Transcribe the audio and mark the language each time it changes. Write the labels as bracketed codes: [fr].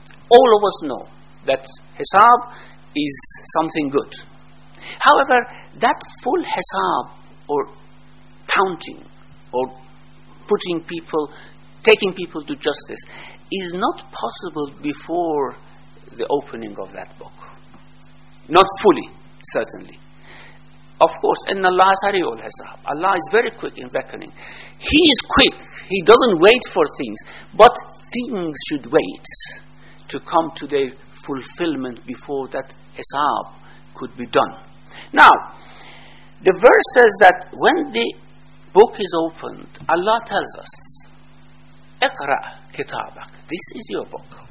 [en] All of us know that hisab is something good. However, that full hisab or counting or putting people, taking people to justice is not possible before the opening of that book. Not fully, certainly. Of course, [ar] إِنَّ اللَّهَ سَرِيعُ الْحِسَابِ. [en] Allah is very quick in reckoning. He is quick. He doesn't wait for things. But things should wait to come to their fulfillment before that hisab could be done. Now, the verse says that when the book is opened, Allah tells us, [ar] اقرأ كتابك. [en] This is your book.